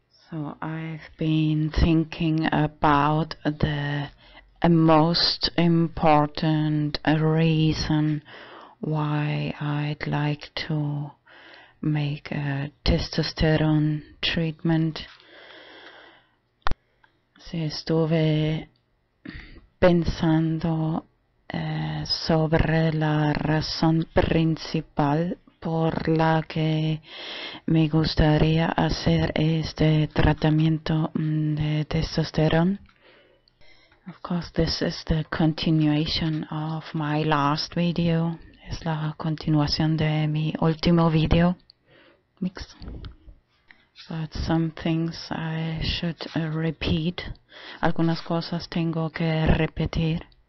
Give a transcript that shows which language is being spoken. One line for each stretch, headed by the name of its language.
English: So I've been thinking about the most important reason why I'd like to make a testosterone treatment.
Spanish: Sí, estuve pensando sobre la razón principal por la que me gustaría hacer este tratamiento de testosterona.
English: Of course, this is the continuation of my last video.
Spanish: Es la continuación de mi último video. Mix.
English: But some things I should repeat.
Spanish: Algunas cosas tengo que repetir.